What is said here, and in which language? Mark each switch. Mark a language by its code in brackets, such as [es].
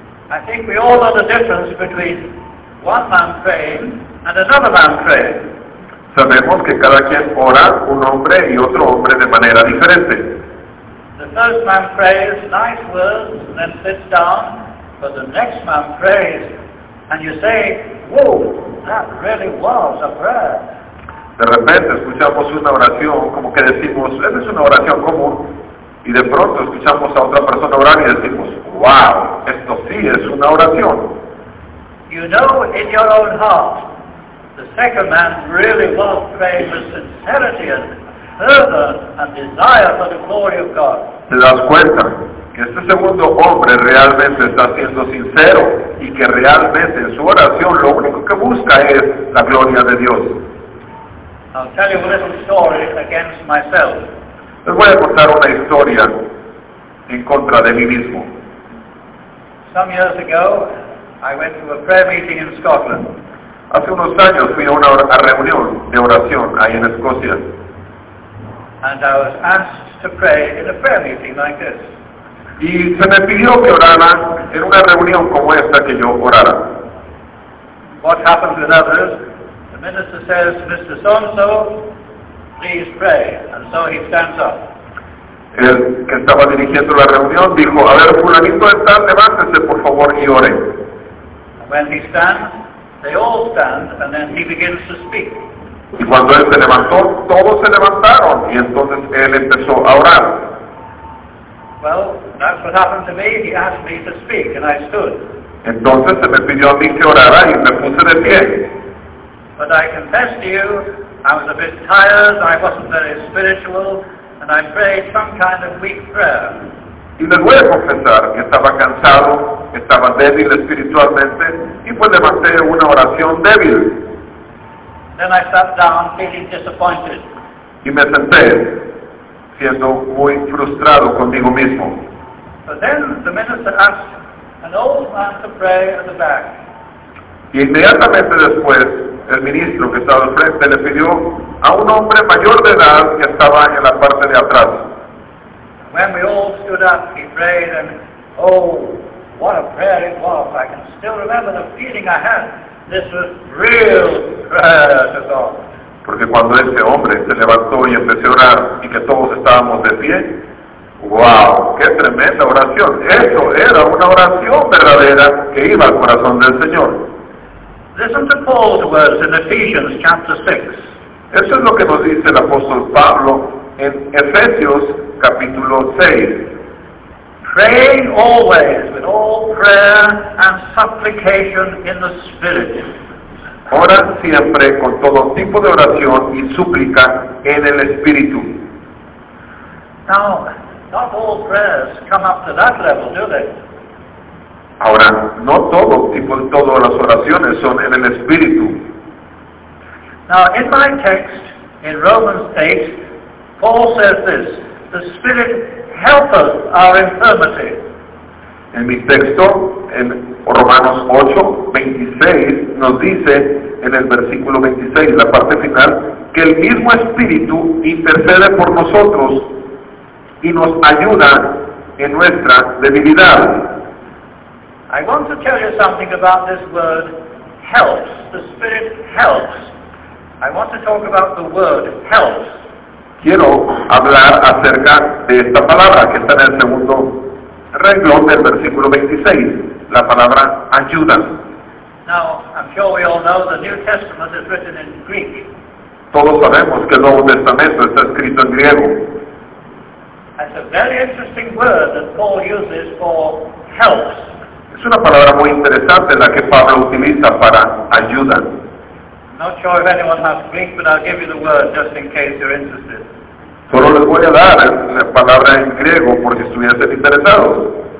[en] I think we all know the difference between one man praying and another man praying. [es] Sabemos que cada quien ora, un hombre y otro hombre, de manera diferente. [en] The first man prays nice words and then sits down, but the next man prays and you say, whoa, that really was a prayer. [es] De repente escuchamos una oración, como que decimos, esa es una oración común, y de pronto escuchamos a otra persona orar y decimos, wow, esto sí es una oración. [en] You know in your own heart, the second man really was praying with sincerity and fervor and desire for the glory of God. [es] ¿Te das cuenta que este segundo hombre realmente está siendo sincero y que realmente en su oración lo único que busca es la gloria de Dios? [en] I'll tell you a little story against myself. [es] Les voy a contar una historia en contra de mí mismo. [en] Some years ago, I went to a prayer meeting in Scotland. [es] Hace unos años fui a una reunión de oración ahí en Escocia. [en] And I was asked to pray in a prayer meeting like this. [es] Y se me pidió que orara en una reunión como esta que yo orara. [en] What happens with others? The minister says, Mr. So-and-so, please pray. And so he stands up. [es] El que estaba dirigiendo la reunión dijo, a ver, fulanito de tal, levántese, por favor, y ore. [en] And when he stands, they all stand, and then he begins to speak. [es] Y cuando él se levantó, todos se levantaron, y entonces él empezó a orar. [en] Well, that's what happened to me. He asked me to speak, and I stood. [es] Entonces se me pidió a mí que orara, y me puse de pie. [en] But I confess to you, I was a bit tired, I wasn't very spiritual, and I prayed some kind of weak prayer. [es] Y les voy a confesar que estaba cansado, estaba débil espiritualmente, y pues levanté una oración débil. [en] Then I sat down feeling disappointed. [es] Y me senté siendo muy frustrado conmigo mismo. [en] But then the minister asked an old man to pray at the back. [es] Y inmediatamente después, el ministro que estaba al frente le pidió a un hombre mayor de edad que estaba en la parte de atrás. [en] When we all stood up, he prayed, and oh, what a prayer it was. I can still remember the feeling I had. This was real prayer to God. [es] Porque cuando ese hombre se levantó y empezó a orar, y que todos estábamos de pie, wow, qué tremenda oración. Eso era una oración verdadera que iba al corazón del Señor. [en] Listen to Paul's words in Ephesians chapter 6. [es] Eso es lo que nos dice el apóstol Pablo en Efesios capítulo 6. [en] Praying always with all prayer and supplication in the Spirit. [es] Ora siempre con todo tipo de oración y súplica en el Espíritu. [en] Now, not all prayers come up to that level, do they? [es] Ahora, no todo tipo de todas las oraciones son en el Espíritu. [en] Now, in my text, in Romans 8, Paul says this, the Spirit helpeth our infirmity. [es] En mi texto, en Romanos 8, 26, nos dice, en el versículo 26, la parte final, que el mismo Espíritu intercede por nosotros y nos ayuda en nuestra debilidad. [en] I want to tell you something about this word, helps. The Spirit helps. I want to talk about the word, helps. [es] Quiero hablar acerca de esta palabra que está en el segundo renglón del versículo 26, la palabra ayuda. [en] Now, I'm sure we all know the New Testament is written in Greek. [es] Todos sabemos que el Nuevo Testamento está escrito en griego. [en] That's a very interesting word that Paul uses for helps. [es] Es una palabra muy interesante la que Pablo utiliza para ayuda. [en] I'm not sure if anyone has Greek, but I'll give you the word just in case you're interested. [es] Solo les voy a dar la palabra en griego por si estuviesen interesados.